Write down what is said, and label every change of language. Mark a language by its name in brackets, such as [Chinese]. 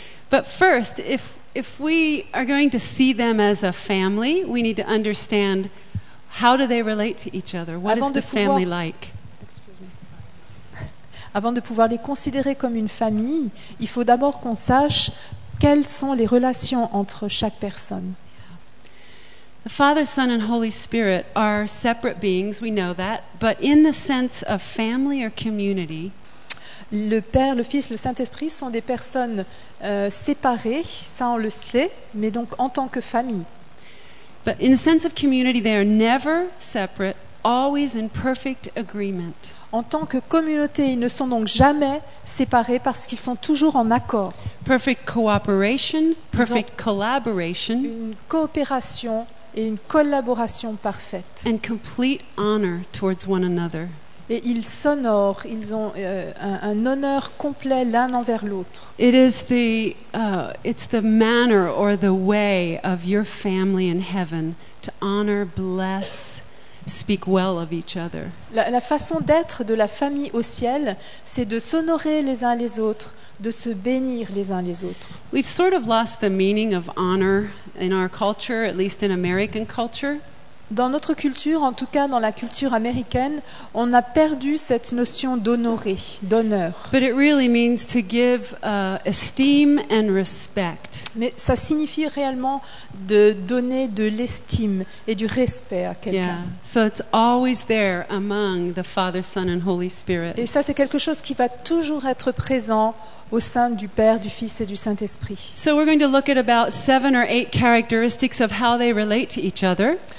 [English] But first, if we are going to see them as a family, we need to understand how do they relate to each other? What [French] avant [English] is this family like? [French] Avant de pouvoir les considérer comme une famille, il faut d'abord qu'on sache quelles sont les relations entre chaque personne. [English] The Father, Son and Holy Spirit are separate beings, we know that, but in the sense of family or community, [French] le Père, le Fils, le Saint-Esprit sont des personnes séparées, ça on le sait, mais donc en tant que famille. [English] But in the sense of community, they are never separate, always in perfect agreement. [French] En tant que communauté, ils ne sont donc jamais séparés parce qu'ils sont toujours en accord. [English] Perfect cooperation, perfect collaboration. [French] Une coopération et une collaboration parfaite. [English] And complete honor towards one another. [French] Et ils s'honorent, ils ont un honneur complet l'un envers l'autre. [English] It is the it's the manner or the way of your family in heaven to honor, bless, speak well of each other. [French] La façon d'être de la famille au ciel, c'est de s'honorer les uns les autres, de se bénir les uns les autres. [English] We've sort of lost the meaning of honor in our culture, at least in American culture. [French] Dans notre culture, en tout cas dans la culture américaine, on a perdu cette notion d'honorer, d'honneur. [English] But it really means to give esteem and respect. [French] Mais ça signifie réellement de donner de l'estime et du respect à quelqu'un. [English] Yeah. So it's always there among the Father, Son and Holy Spirit. [French] Et ça c'est quelque chose qui va toujours être présent au sein du Père, du Fils et du Saint-Esprit. [English] So we're going to look at about 7 or 8 characteristics of how they relate to each other.